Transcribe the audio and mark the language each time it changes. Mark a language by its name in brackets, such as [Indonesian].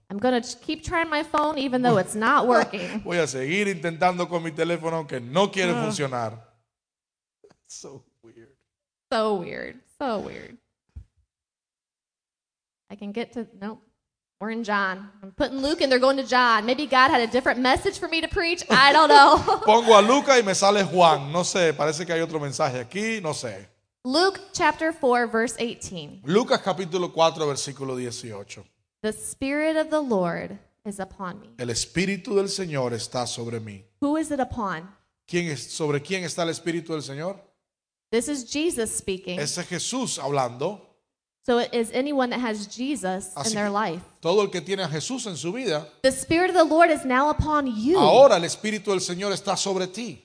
[English] I'm going to keep trying my phone even though it's not working. [Spanish] Voy a seguir intentando con mi teléfono que no quiere funcionar. [English] So weird. So weird. So weird. I can get to, nope. We're in John. I'm putting Luke and they're going to John. Maybe God had a different message for me to preach. I don't know. [Spanish] Pongo a Luca y me sale Juan. No sé, parece que hay otro mensaje aquí. No sé. [English] Luke chapter 4 verse 18. [Spanish] Lucas capítulo 4 versículo 18. [English] The Spirit of the Lord is upon me. [Spanish] El Espíritu del Señor está sobre mí. [English] Who is it upon? [Spanish] ¿Quién es, sobre quién está el Espíritu del Señor? [English] This is Jesus speaking. [Spanish] Ese es Jesús hablando. [English] So it is anyone that has Jesus [Spanish] Así [English] in their life. [Spanish] Todo el que tiene a Jesús en su vida. [English] The Spirit of the Lord is now upon you. [Spanish] Ahora el Espíritu del Señor está sobre ti.